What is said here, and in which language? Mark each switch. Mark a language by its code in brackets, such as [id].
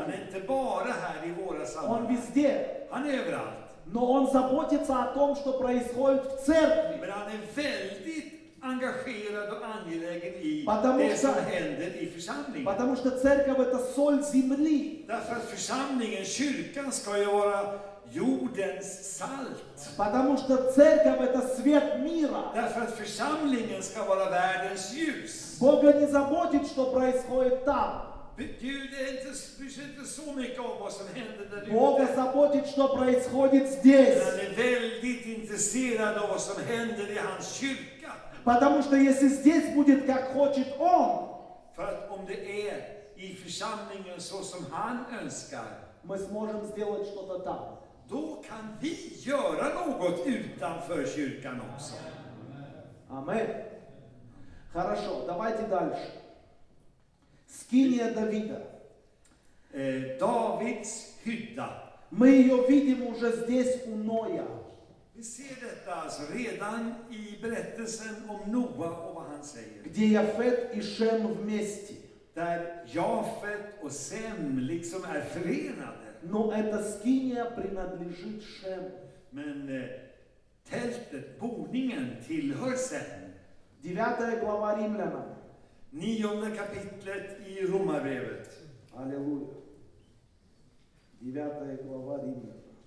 [sv] Han är inte bara här i våra sammanhang. [ru] Он везде. [sv] Han är överallt. [ru] Но он заботится о том, что происходит в церкви. [sv] Men han är väldigt engagerad och angelägen i det som händer i församlingen. [ru] Потому что церковь это соль земли. [sv] Därför att församlingen, kyrkan, ska ju vara jordens salt. [ru] Потому что церковь это свет мира. [sv] Därför att församlingen ska vara världens ljus. [ru] Бога не заботит, что происходит там. [sv] Gud är inte så mycket om vad som händer där. [ru] Бога заботит, что происходит здесь. [sv] Han är väldigt intresserad av vad som händer i hans kyrka. [ru] Потому что если здесь будет как хочет он, [sv] för att om det är i församlingen så som han önskar, [ru] мы сможем сделать что-то там. [sv] Då kan vi göra något utanför kyrkan också. [ru] Amen. Хорошо, давайте дальше. Скиния Давида. [sv] Davids hydda. [ru] Мы ее видим уже здесь у Ноя. [sv] Vi ser detta alltså redan i berättelsen om Noa och vad han säger. [ru] Где Jafet и Шем вместе. [sv] Där Jafet och Sem liksom är förenade. [ru] Но эта скиния принадлежит Шем. [sv] Men tältet, boningen, tillhör Sem. [ru] 9 глава Римлянам. [sv] 9 kapitlet i Romarbrevet. [ru] Halleluja. 9 глава Римлянам.